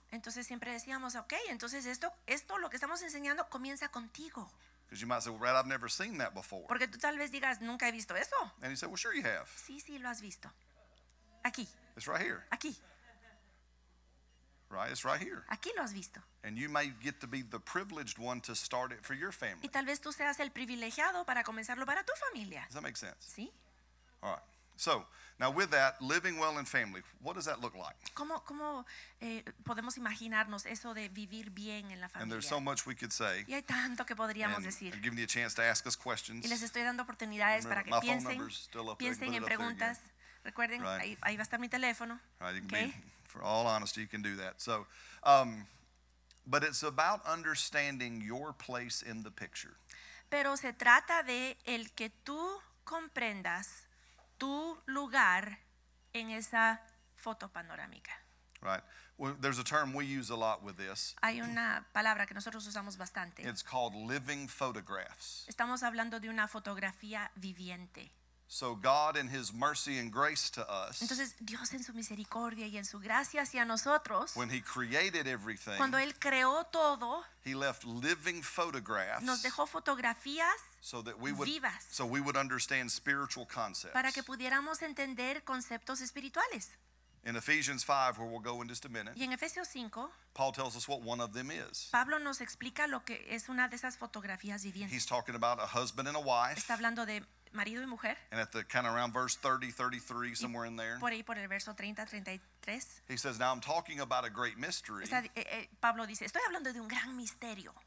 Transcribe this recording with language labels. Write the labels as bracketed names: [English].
[Spanish] Entonces siempre decíamos, okay, entonces esto lo que estamos enseñando comienza contigo. [English] Because you might say, well, Brad, I've never seen that before. [Spanish] Porque tú tal vez digas, nunca he visto eso. [English] And you say, well, sure you have. [Spanish] Sí, sí, lo has visto. Aquí. [English] It's right here. [Spanish] Aquí. [English] Right, it's right here. [Spanish] Aquí lo has visto. [English] And you may get to be the privileged one to start it for your family. [Spanish] Y tal vez tú seas el privilegiado para comenzarlo para tu familia. [English] Does that make sense? [Spanish] Sí. [English] All right. So, now with that, living well in family, what does that look like? [Spanish] ¿Cómo podemos imaginarnos eso de vivir bien en la familia? [English] And there's so much we could say. [Spanish] Y hay tanto que podríamos decir. [English] I'm giving you a chance to ask us questions. [Spanish] Y les estoy dando oportunidades para que piensen. Piensen en preguntas. Recuerden, ahí va a estar mi teléfono. [English] Right, you can okay. For all honesty, you can do that. So, but it's about understanding your place in the picture. [Spanish] Pero se trata de el que tú comprendas tu lugar en esa foto panorámica. [English] Right. Well, there's a term we use a lot with this. [Spanish] Hay una palabra que nosotros usamos bastante. [English] It's called living photographs. [Spanish] Estamos hablando de una fotografía viviente. [English] So God in his mercy and grace to us. [Spanish] Entonces Dios en su misericordia y en su gracia hacia nosotros. [English] When he created everything. [Spanish] Cuando él creó todo. [English] He left living photographs. [Spanish] Nos dejó fotografías [English] so that we would, [Spanish] vivas. [English] So we would understand spiritual concepts. [Spanish] Para que pudiéramos entender conceptos espirituales. [English] In Ephesians 5, where we'll go in just a minute. [Spanish] Y en Efesios 5. [English] Paul tells us what one of them is. [Spanish] Pablo nos explica lo que es una de esas fotografías vivientes. [English] He's talking about a husband and a wife. [Spanish] Está hablando de marido y mujer. [English] And at the kind of around verse 30, 33, y somewhere in there. [Spanish] Por ahí por el verso 30, 33. [English] He says, now I'm talking about a great mystery. [Spanish] Pablo dice, estoy hablando de un gran misterio.